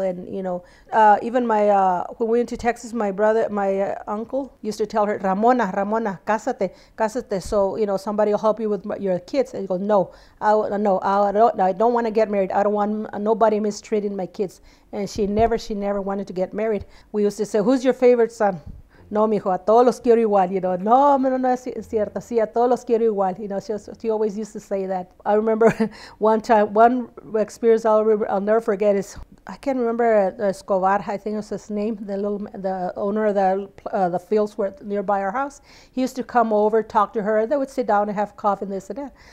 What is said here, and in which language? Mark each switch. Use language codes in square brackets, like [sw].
[en] And, you know, even my, when we went to Texas, my uncle used to tell her, Ramona, [es] cásate. [en] So, you know, somebody will help you with your kids. And he goes, no, I don't want to get married. I don't want nobody mistreating my kids. And she never wanted to get married. We used to say, who's your favorite son? [es] No, mijo, a todos los quiero igual, [en] you know. [es] No, es cierto. Sí, a todos los quiero igual. [en] You know, she always used to say that. I remember one experience I'll never forget is, I can't remember Escobar, I think it was his name, the owner of the fields where nearby our house. He used to come over, talk to her. They would sit down and have coffee and this and that.